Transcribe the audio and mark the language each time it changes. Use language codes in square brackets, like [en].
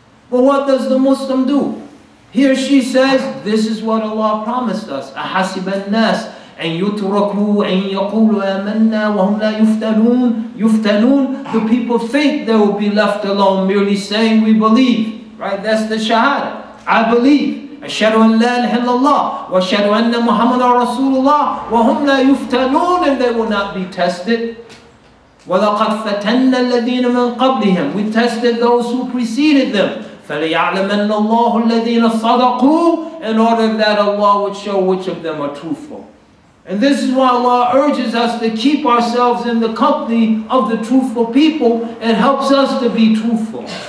[en] But what does the Muslim do? He or she says, this is what Allah promised us. [ar] أَحَسِبَ النَّاسِ أَن يُتْرَكُوا أَن يَقُولُوا آمَنَّا وَهُمْ لَا يُفْتَنُونَ. [en] يُفْتَنُونَ, the people think they will be left alone merely saying we believe. Right, that's the shahada. I believe. [ar] أَشْهَدُ أَن لَا إِلَهَ إِلَّا اللَّهُ وَأَشْهَدُ أَنَّ مُحَمَّدًا رَسُولُ اللَّهِ وَهُمْ لَا يُفْتَنُونَ, and they will not be tested. [en] وَلَقَدْ فَتَنَّا الَّذِينَ مِنْ قَبْلِهِمْ, we tested those who preceded them. فَلِيَعْلَمَنَّ اللَّهُ الَّذِينَ صَدَقُوا, in order that Allah would show which of them are truthful. And this is why Allah urges us to keep ourselves in the company of the truthful people and helps us to be truthful.